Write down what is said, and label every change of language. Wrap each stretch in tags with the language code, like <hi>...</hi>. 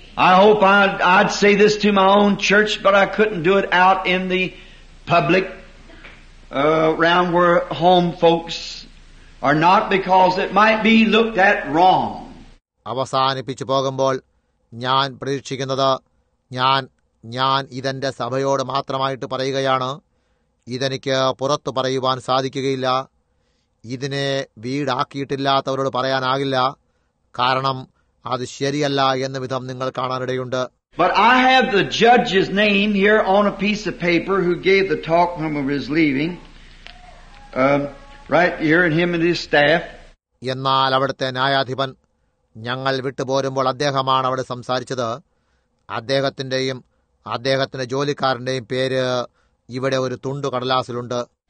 <en>I hope I'd say this to my own church, but I couldn't do it out in the public around where home folks are not, because it might be looked at wrong.</en> <ml>അവസാനിപ്പിച്ചു പോകുമ്പോൾ ഞാൻ പ്രതീക്ഷിക്കുന്നത് ഞാൻ ഇതെന്റെ സഭയോട് മാത്രമായിട്ട് പറയുകയാണ്. ഇതെനിക്ക് പുറത്തു പറയുവാൻ സാധിക്കുകയില്ല. ഇതിനെ വീടാക്കിയിട്ടില്ലാത്തവരോട് പറയാനാകില്ല, കാരണം അത് ശരിയല്ല എന്ന വിധം നിങ്ങൾ കാണാനിടയുണ്ട്.</ml> <en>But I have the judge's name here on a piece of paper who gave the talk when he was leaving. Right here, and him and his staff.</en> <ml>എന്നാൽ അവിടുത്തെ ന്യായാധിപൻ ഞങ്ങൾ വിട്ടുപോരുമ്പോൾ അദ്ദേഹമാണ് അവിടെ സംസാരിച്ചത്. അദ്ദേഹത്തിന്റെയും അദ്ദേഹത്തിന്റെ ജോലിക്കാരന്റെയും പേര് ഇവിടെ ഒരു തുണ്ടു കടലാസിലുണ്ട്.</ml>